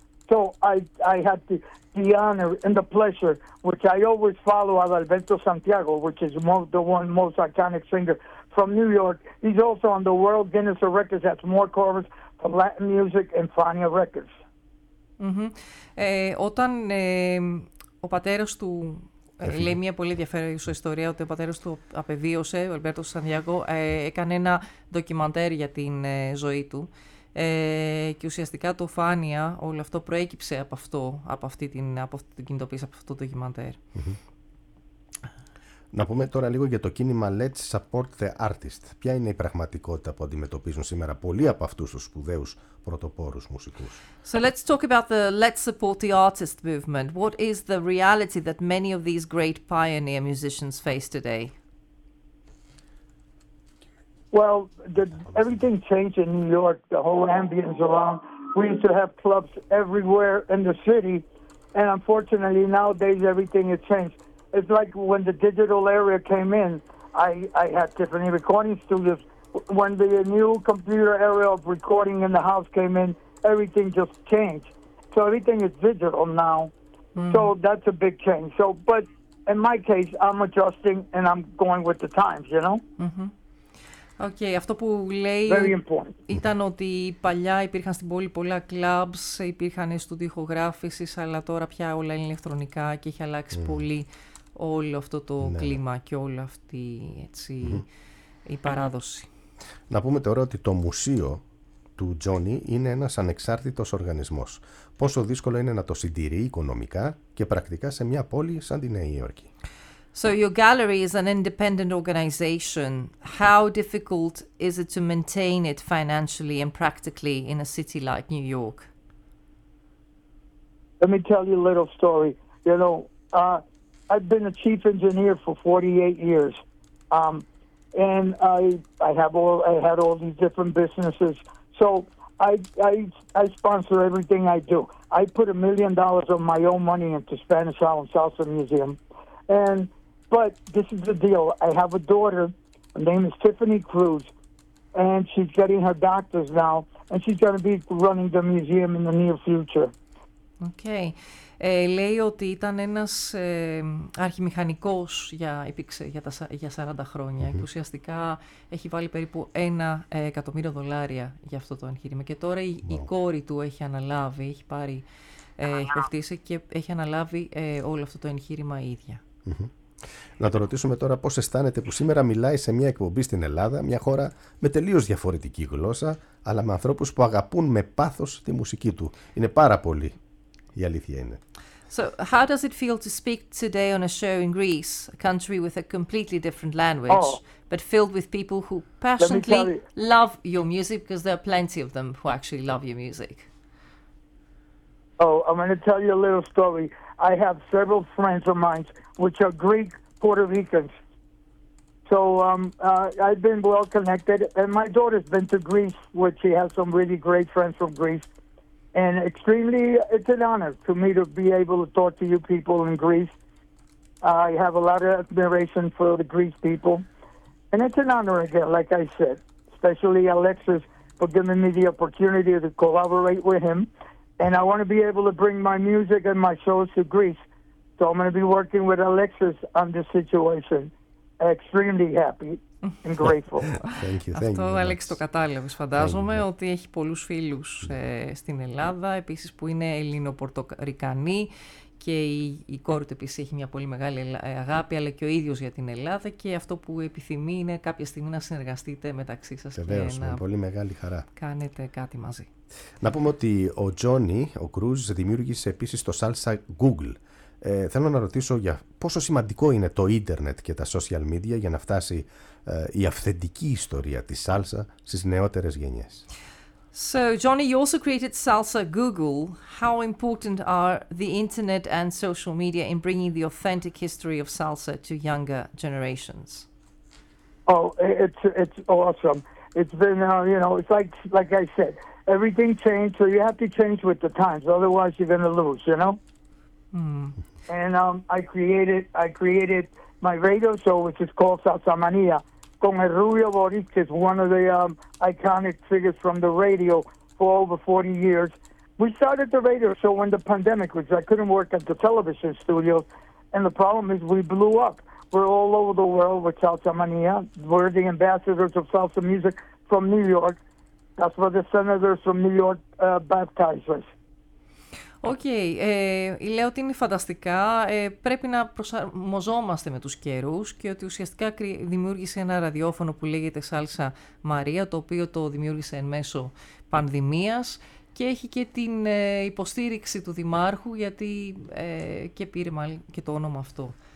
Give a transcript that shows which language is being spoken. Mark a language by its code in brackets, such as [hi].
[en] So I had the honor and the pleasure, which I always follow Adalberto Santiago, which is the most iconic singer from New York. He's also on the World Guinness of Records, has more covers for Latin music and Fania Records. Mm-hmm. [el] Όταν ο πατέρας του, λέει μια πολύ ενδιαφέρουσα ιστορία, ότι ο πατέρας του απεβίωσε, ο Αλβέρτο Σαντιάγκο, έκανε ένα ντοκιμαντέρ για την ζωή του. Και ουσιαστικά το Φάνια, όλο αυτό προέκυψε από αυτό, από αυτή την κινητοποίηση, από αυτό το ντοκιμαντέρ. Να πούμε τώρα λίγο για το κίνημα Let's Support the Artist. Ποια είναι η πραγματικότητα που αντιμετωπίζουν σήμερα πολλοί από αυτούς τους σπουδαίους πρωτοπόρους μουσικούς? [en] So let's talk about the Let's Support the Artist movement. What is the reality that many of these great pioneer musicians face today? Well, everything changed in New York, the whole ambience around. We used to have clubs everywhere in the city, and unfortunately, nowadays, everything has changed. It's like when the digital era came in, I had different recording studios. When the new computer era of recording in the house came in, everything just changed. So everything is digital now, so that's a big change. So, but in my case, I'm adjusting, and I'm going with the times, you know? Mm-hmm. [el] Okay, αυτό που λέει ήταν ότι παλιά υπήρχαν στην πόλη πολλά clubs, υπήρχαν στούντιο ηχογράφησης, αλλά τώρα πια όλα είναι ηλεκτρονικά και έχει αλλάξει πολύ όλο αυτό το κλίμα και όλη αυτή έτσι, η παράδοση. Να πούμε τώρα ότι το μουσείο του Τζόνι είναι ένας ανεξάρτητος οργανισμός. Πόσο δύσκολο είναι να το συντηρεί οικονομικά και πρακτικά σε μια πόλη σαν τη Νέα Υόρκη? [en] So your gallery is an independent organization. How difficult is it to maintain it financially and practically in a city like New York? Let me tell you a little story. You know, I've been a chief engineer for 48 years. And I had all these different businesses. So I sponsor everything I do. I put $1 million of my own money into Spanish Harlem Salsa Museum. But this is the deal. I have a daughter. Her name is Tiffany Cruz, and she's getting her doctor's now, and she's going to be running the museum in the near future. Okay. [el] Λέει ότι ήταν ένας αρχιμηχανικός για 40 χρόνια, mm-hmm. και ουσιαστικά έχει βάλει περίπου $1 εκατομμύριο δολάρια για αυτό το εγχείρημα. Και τώρα η κόρη του έχει αναλάβει, έχει πεφτήσει και έχει αναλάβει όλο αυτό το εγχείρημα η ίδια. Mm-hmm. Να το ρωτήσουμε τώρα πώς αισθάνεται που σήμερα μιλάει σε μια εκπομπή στην Ελλάδα, μια χώρα με τελείως διαφορετική γλώσσα, αλλά με ανθρώπους που αγαπούν με πάθος τη μουσική του. Είναι πάρα πολύ. Η αλήθεια είναι. [en] So, how does it feel to speak today on a show in Greece, a country with a completely different language, but filled with people who passionately love your music, because there are plenty of them who actually love your music? Oh, I'm going to tell you a little story. I have several friends of mine, which are Greek Puerto Ricans. So, I've been well connected, and my daughter's been to Greece, where she has some really great friends from Greece. And extremely, it's an honor to me to be able to talk to you people in Greece. I have a lot of admiration for the Greek people. And it's an honor again, like I said, especially Alexis for giving me the opportunity to collaborate with him. And I want to be able to bring my music and my shows to Greece. So I'm going to be working with Alexis on this situation. Extremely happy. Thank you. [el] Αυτό, Αλέξη, το κατάλαβες, φαντάζομαι, ότι έχει πολλούς φίλους στην Ελλάδα, επίσης που είναι Ελληνοπορτορικανοί, και η κόρη του επίσης έχει μια πολύ μεγάλη αγάπη, αλλά και ο ίδιος για την Ελλάδα, και αυτό που επιθυμεί είναι κάποια στιγμή να συνεργαστείτε μεταξύ σας. Βεβαίως, με πολύ μεγάλη χαρά. Κάνετε κάτι μαζί. Να πούμε ότι ο Τζόνι, ο Κρούζ, δημιούργησε επίσης το Salsa Google. Θέλω να ρωτήσω για πόσο σημαντικό είναι το ίντερνετ και τα social media για να φτάσει η αυθεντική ιστορία της σάλσα στις νεότερες γενιές. [en] So, Johnny, you also created Salsa Google. How important are the internet and social media in bringing the authentic history of salsa to younger generations? Oh, it's awesome. It's been, it's like I said, everything changed, so you have to change with the times, otherwise you're going to lose, And I created my radio show, which is called Salsa Manía, con el Rubio Boric, is one of the iconic figures from the radio for over 40 years. We started the radio show when the pandemic was. I couldn't work at the television studios. And the problem is we blew up. We're all over the world with Salsa Manía. We're the ambassadors of salsa music from New York. That's where the senators from New York baptized us. [el] Okay, λέω ότι είναι φανταστικά, πρέπει να προσαρμοζόμαστε με τους καιρούς και ότι ουσιαστικά δημιούργησε ένα ραδιόφωνο που λέγεται Salsa Maria, το οποίο το δημιούργησε εν μέσω πανδημίας και έχει και την υποστήριξη του Δημάρχου, γιατί και πήρε μάλλον και το όνομα αυτό.